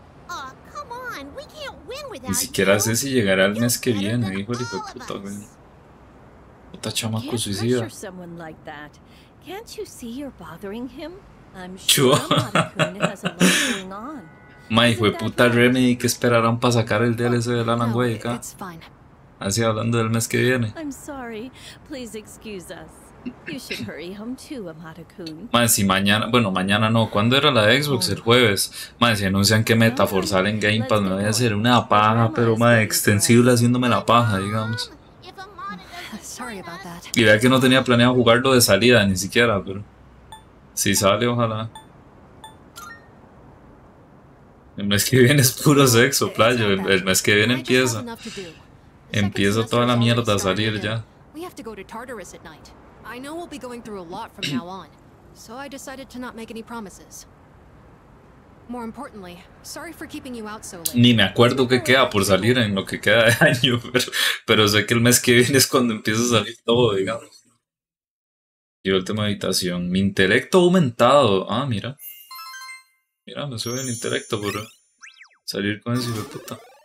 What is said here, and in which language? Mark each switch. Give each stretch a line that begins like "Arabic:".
English: Aw, come on, we can't win without
Spanish: you. Ni siquiera sé si llegará el mes que viene, hijo de puta. Puta chamaco suicida.
English: Can't pressure someone like that. Can't you see you're bothering him? I'm sure Amara-kun has a lot going on.
Spanish: Mae, hijo de puta Remedy, que esperarán para sacar el DLC de Alan Wake. Así hablando del mes que viene.
English: I'm sorry. Please excuse us. You should hurry home too, Amara-kun.
Spanish: Mae, si mañana, bueno, mañana no, ¿cuándo era la de Xbox? El jueves. Mae, si anuncian que Metaphor sale en Game Pass, me voy a hacer una paja, pero mae, extensible haciéndome la paja, digamos.
English: Sorry about that.
Spanish: Y vea que no tenía planeado jugarlo de salida ni siquiera, pero si sale, ojalá. El mes que viene es puro sexo, playo. El mes que viene empieza. Empieza toda la mierda a salir ya.
English: We have to go to Tartarus at night. I know we'll be going through a lot from now on, so I decided to not make any promises. More importantly, sorry for keeping you out so late.
Spanish: Ni me acuerdo qué queda por salir en lo que queda de año, pero sé que el mes que viene es cuando empieza a salir todo, digamos. Y última habitación. Mi intelecto aumentado. Ah, mira. Mira, me sube el intelecto por salir con ese hijo de puta.